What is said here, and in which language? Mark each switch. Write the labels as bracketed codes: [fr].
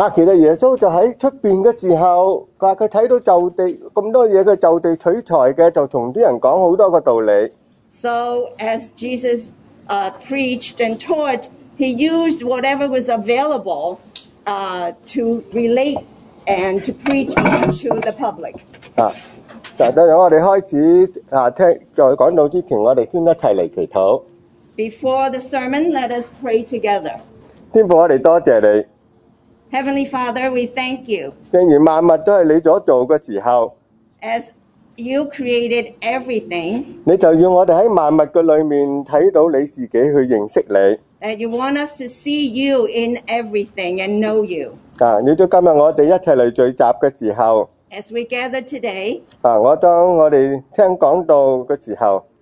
[yue] 其實耶穌就喺出邊嘅時候，佢話佢睇到就地咁多嘢，佢就地取材嘅，就同啲人講好多個道理。 [en] So as Jesus preached and taught, he used whatever was available to relate and to preach to the public. [yue] 等我哋開始聽再講到之前，我哋先一齊嚟祈禱。 [en] Before the sermon, let us pray together. [yue] 天父，我哋多谢你。 [en] Heavenly Father, we thank you. [yue] 正如万物都系你所做嘅时候。 [en] As you created everything. [yue] 你就要我哋喺万物嘅里面睇到你自己去认识你。 [en] And you want us to see you in everything and know you. [yue] 你都今日我哋一齐嚟聚集嘅时候。 [en] As we gather today. [yue] 我当我哋听讲道嘅时候。